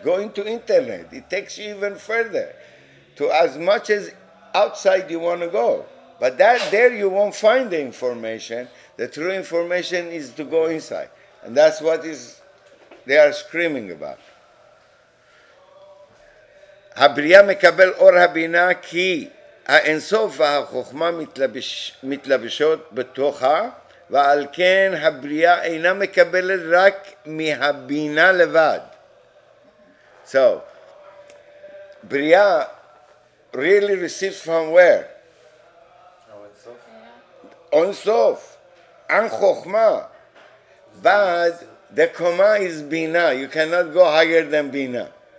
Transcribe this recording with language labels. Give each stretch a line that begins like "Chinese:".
English: Go into internet. It takes you even further to as much as outside you want to go. But that there you won't find the information. The true information is to go inside. And that's what is they are screaming about.
Hebrew: הבריאה מקבל אור הבינה כי האינסוף והחוכמה מתלבשות בתוכה, ועל כן הבריאה אינה מקבלת רק מהבינה לבד.
English: So, בריאה really receives from where?
Hebrew: אינסוף.
English: אינסוף. חוכמה. But the Koma is Bina. You cannot go higher than Bina.